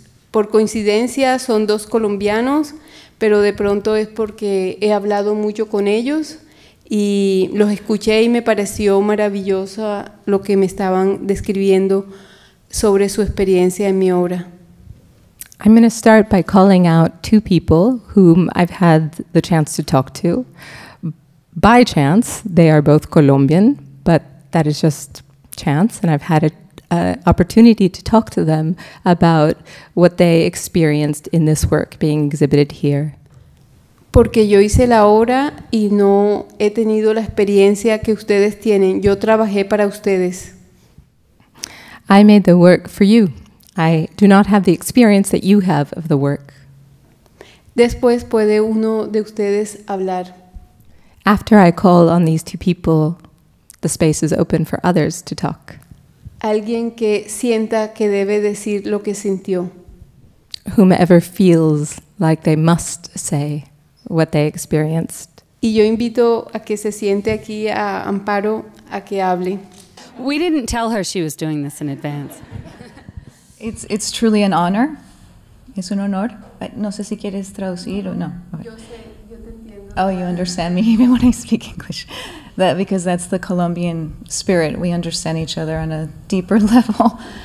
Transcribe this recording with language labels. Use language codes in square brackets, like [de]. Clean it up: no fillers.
[es] Por coincidencia son dos colombianos, pero de pronto es porque he hablado mucho con ellos y los escuché y me pareció maravilloso lo que me estaban describiendo sobre su experiencia en mi obra. [en] I'm going to start by calling out two people whom I've had the chance to talk to. By chance, they are both Colombian, but that is just chance, and I've had a opportunity to talk to them about what they experienced in this work being exhibited here. [es] Porque yo hice la obra y no he tenido la experiencia que ustedes tienen. Yo trabajé para ustedes. [en] I made the work for you. I do not have the experience that you have of the work. [es] Después puede uno de ustedes hablar. [en] After I call on these two people, the space is open for others to talk. [es] Alguien que sienta que debe decir lo que sintió. [en] Whomever feels like they must say what they experienced. [es] Y yo invito a que se siente aquí a Amparo a que hable. [en] We didn't tell her she was doing this in advance. It's truly an honor. [es] Es un honor. No sé si quieres traducir o no. Okay. Yo sé, yo te entiendo. [en] Oh, you understand me even when I speak English. That because that's the Colombian spirit, we understand each other on a deeper level.